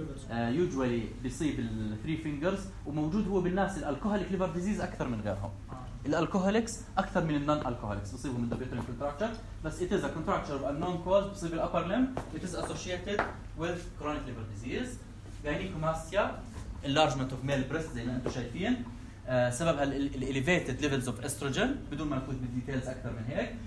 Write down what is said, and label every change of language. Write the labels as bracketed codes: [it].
[en] usually [ar] بيصيب ال [en] three fingers, [ar] وموجود هو بالناس الالكوهوليك ليفر ديزيز أكثر من غيرهم. الالكوهوليكس أكثر من النون الكوهوليكس بيصيبهم الدوبيوترين كونتراكتشر. بس [en] it is a contraction of unknown cause [ar] بيصيب ال [en] upper limb. it is associated with chronic liver disease. gynecomastia enlargement of male breast [ar] زي ما أنتم شايفين. سببها الاليفيتد ليفلز اوف استروجين بدون ما اخوض بالديتيلز اكثر من هيك.